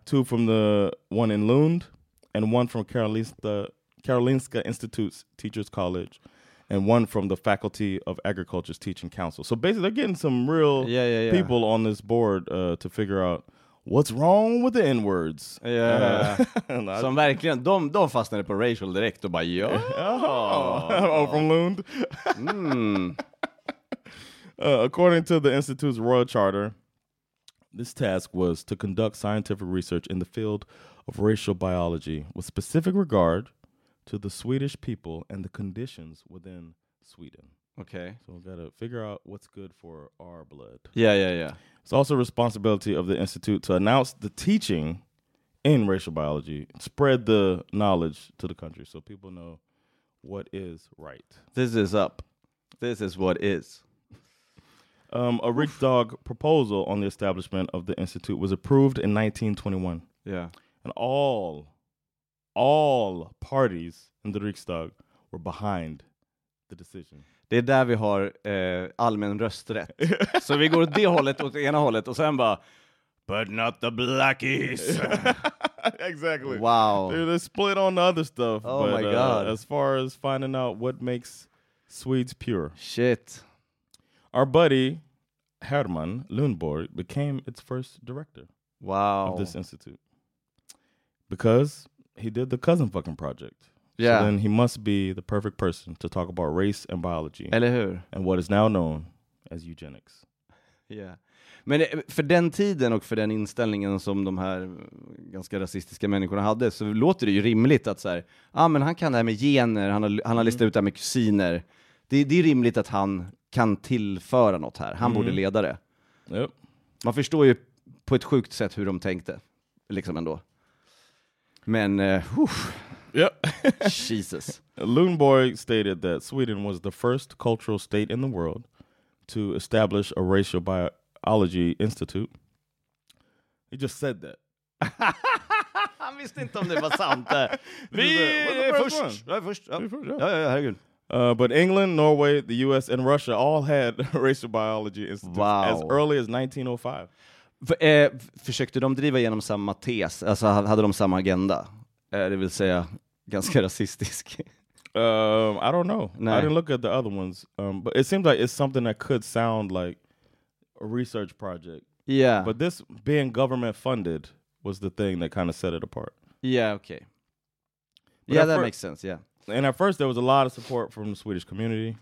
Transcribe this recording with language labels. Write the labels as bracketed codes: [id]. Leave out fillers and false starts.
[en] Two from the one in Lund, and one from Karolinska Institute's Teachers College, and one from the Faculty of Agriculture's Teaching Council. So basically, they're getting some real people on this board to figure out what's wrong with the N-words. Yeah. [sv] Som verkligen, de fastnade på racial direkt och bara, [en] from Lund. According to the Institute's Royal Charter, this task was to conduct scientific research in the field of racial biology with specific regard to the Swedish people and the conditions within Sweden. Okay. So we've got to figure out what's good for our blood. Yeah. It's also responsibility of the Institute to announce the teaching in racial biology, spread the knowledge to the country so people know what is right. This is up. This is what is. A Riksdag proposal on the establishment of the Institute was approved in 1921. Yeah. And all parties in the Riksdag were behind the decision. [sv] Det är där vi har allmän rösträtt. Så vi går det hållet åt ena hållet och sen bara, [en] but not the blackies. Exactly. Wow. They split on the other stuff. Oh my God. As far as finding out what makes Swedes pure. Shit. Our buddy, Herman Lundborg, became its first director. Wow. Of this institute. Because he did the cousin fucking project. Yeah. So then he must be the perfect person to talk about race and biology. [sv] Eller hur? [en] And what is now known as eugenics. Yeah. [sv] Men för den tiden och för den inställningen som de här ganska rasistiska människorna hade, så låter det ju rimligt att så här, men han kan det här med gener, han har listat ut det här med kusiner. Det är rimligt att han kan tillföra något här. Han borde leda det. [en] Yep. [sv] Man förstår ju på ett sjukt sätt hur de tänkte. Liksom ändå. Men, [en] Yeah. Jesus. Lundborg stated that Sweden was the first cultural state in the world to establish a racial biology institute. He just said that. [sv] Han visste inte om det var sant. Vi är först. Herregud. [en] But England, Norway, the US and Russia all had racial biology institutes as early as 1905. [sv] Försökte de driva igenom samma tes? Alltså hade de samma agenda? Det vill säga ganska rasistisk. [en] I don't know. [sv] Nej. [en] I didn't look at the other ones. But it seems like it's something that could sound like a research project. Yeah. But this being government funded was the thing that kind of set it apart. Yeah, okay. But yeah, that makes sense, yeah. And at first there was a lot of support from the Swedish community.